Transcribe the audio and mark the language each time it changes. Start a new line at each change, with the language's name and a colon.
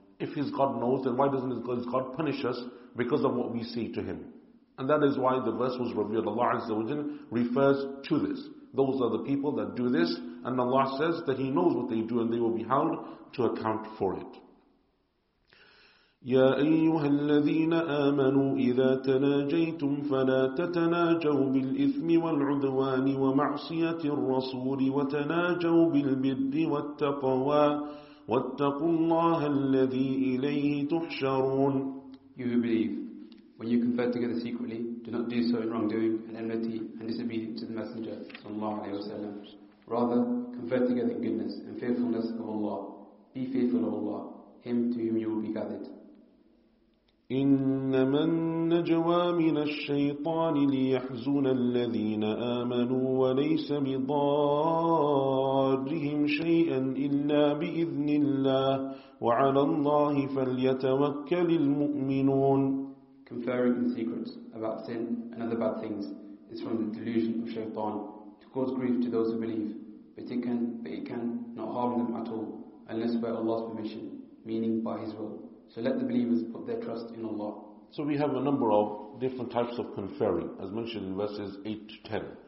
English: If His God knows, then why doesn't His God punish us because of what we say to Him? And that is why the verse was revealed. Allah Azza wa Jalla refers to this. Those are the people that do this. And Allah says that He knows what they do and they will be held to account for it.
Arabic: يا أيها الذين آمنوا إذا تناجيتم فلا تتناجوا بالإثم والعدوان ومعصية الرسول وتناجوا بالبر والتقوى واتقوا الله الذي إليه تحشرون.
English: You who believe, when you confer together secretly, do not do so in wrongdoing and enmity and disobedience to the Messenger صلى الله عليه وسلم. Rather, confer together in goodness and faithfulness of Allah. Be faithful of Allah, Him to whom you will be gathered.
Arabic: إنما النجوى من الشيطان ليحزن الذين آمنوا وليس بضارهم شيئا إلا بإذن الله وعلى الله فليتوكل المؤمنون.
English: Conferring in secret about sin and other bad things is from the delusion of shaitan, to cause grief to those who believe, but it can not harm them at all, unless by Allah's permission, meaning by His will. So let the believers put their trust in Allah. So we have a number of different types of conferring, as mentioned in verses 8 to 10.